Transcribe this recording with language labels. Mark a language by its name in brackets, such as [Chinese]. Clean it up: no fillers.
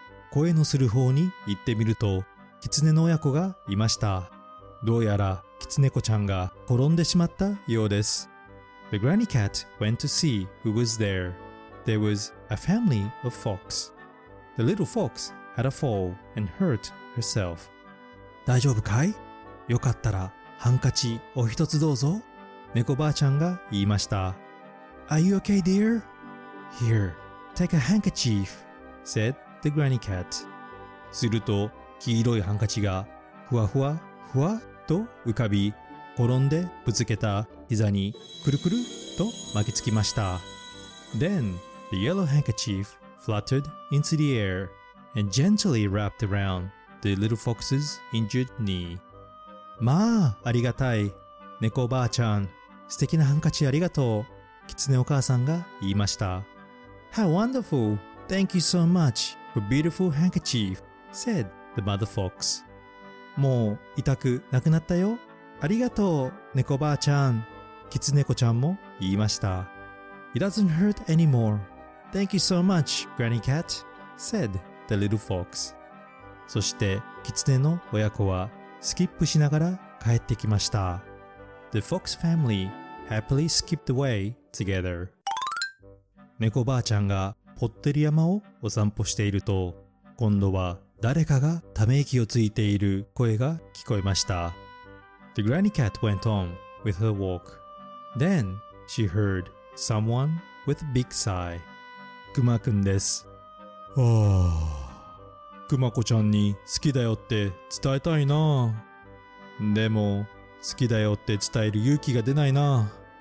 [Japanese] 声のする方に行ってみると、狐の親子がいました。どうやら狐子ちゃんが転んでしまったようです。 [English] The granny cat went to see who was there. There was a family of fox. The little fox had a fall and hurt herself. [Japanese] 大丈夫かい？よかったら。ハンカチお一つどうぞ。猫ばあちゃんが言いました。 [English] Are you okay, dear? Here, take a handkerchief, said the granny cat. [Japanese] すると、黄色いハンカチがふわふわふわと浮かび、転んでぶつけた膝にくるくると巻きつきました。 [English] Then, the yellow handkerchief fluttered into the air and gently wrapped around the little fox's injured knee. [Japanese] まあ、ありがたい。猫おばあちゃん、素敵なハンカチありがとう。キツネお母さんが言いました。 [English] How wonderful! Thank you so much for beautiful handkerchief, said the mother fox. [Japanese] もう、痛くなくなったよ。ありがとう、猫おばあちゃん。キツネコちゃんも言いました。 [English] It doesn't hurt anymore. Thank you so much, granny cat, said the little fox. [Japanese] そして、キツネの親子は、スキップしながら帰ってきました。 [English] The fox family happily skipped away together. [Japanese] 猫ばあちゃんがぽってり山をお散歩していると、今度は誰かがため息をついている声が聞こえました。 [English] The granny cat went on with her walk. Then she heard someone with a big sigh. [Japanese] クマくんです。はぁ。クマ子ちゃんに好きだよって伝えたいな。でも好きだよって伝える勇気が出ないな。